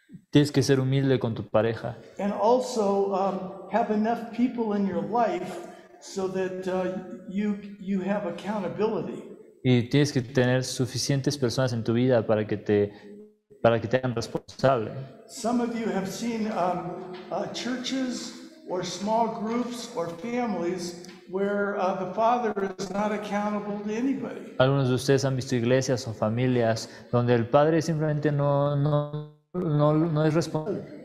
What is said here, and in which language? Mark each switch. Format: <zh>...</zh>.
<es>Tienes que ser humilde con tu pareja.</es> <en>And also have enough people in your life so that you have accountability.</en> <es>Y tienes que tener suficientes personas en tu vida para que te hagan responsable.</es> <en>Some of you have seen churches or small groups or families where the father is not accountable to anybody.</en> <es>Algunos de ustedes han visto iglesias o familias donde el padre simplemente no es responsable.</es>